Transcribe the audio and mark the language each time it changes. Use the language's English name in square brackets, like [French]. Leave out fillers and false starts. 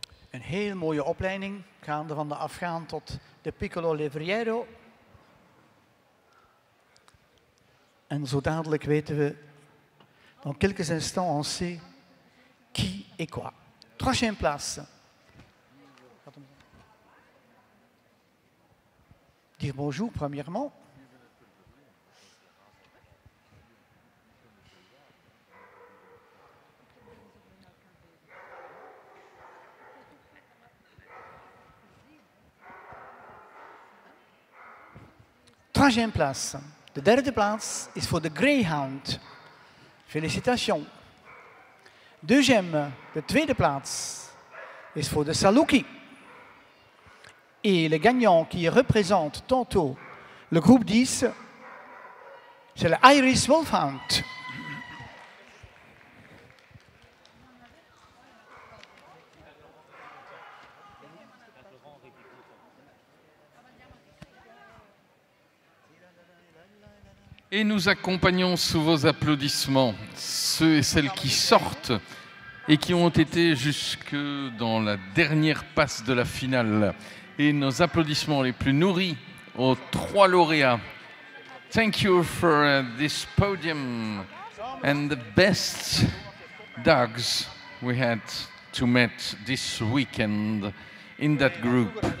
[Dutch] Een heel mooie opleiding, gaande van de Afghaan tot de Piccolo Levriero. En zo dadelijk weten we, [French] dans quelques instants, on sait qui et quoi. Troisième place. Dire bonjour, premièrement. Troisième place. [Dutch] De derde plaats is voor de Greyhound. [French] Félicitations. Deuxième, [Dutch] de tweede plaats is voor de Saluki. [French] Et le gagnant qui représente tantôt le groupe 10, c'est le Irish Wolfhound. Et nous accompagnons sous vos applaudissements ceux et celles qui sortent et qui ont été jusque dans la dernière passe de la finale. Et nos applaudissements les plus nourris aux trois lauréats. [English] Thank you for this podium and the best dogs we had to meet this weekend in that group.